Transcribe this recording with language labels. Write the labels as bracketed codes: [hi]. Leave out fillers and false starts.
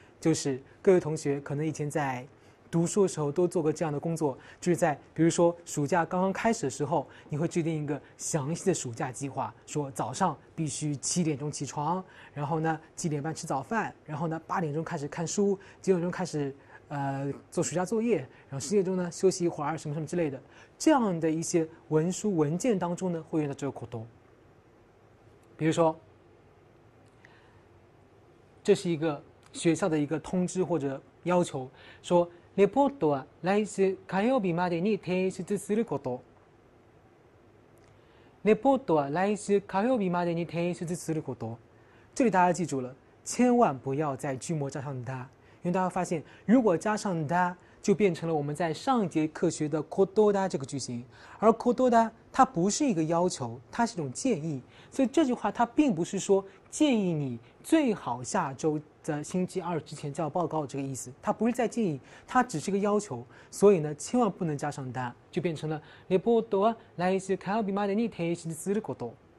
[zh] 就是各位同学可能以前在读书的时候都做过这样的工作，就是在比如说暑假刚刚开始的时候，你会制定一个详细的暑假计划，说早上必须7点钟起床，然后呢7点半吃早饭，然后呢8点钟开始看书，9点钟开始做暑假作业，然后10点钟呢休息一会儿什么什么之类的，这样的一些文书文件当中呢会用到这个口头。比如说，这是一个学校的一个通知或者要求，说。 [ja] レポートは来週火曜日までに提出すること。レポートは来週火曜日までに提出すること。 [zh] 这里大家记住了，千万不要在句末加上 da，因为大家发现，如果加上 da，就变成了我们在上一节课学的 kododa 这个句型。而 kododa 它不是一个要求，它是一种建议。所以这句话它并不是说建议你最好下周的星期二之前交报告这个意思，它不是在建议，它只是个要求，所以呢，千万不能加上 da，就变成了 [ja] レポートは来週火曜日までに提出すること。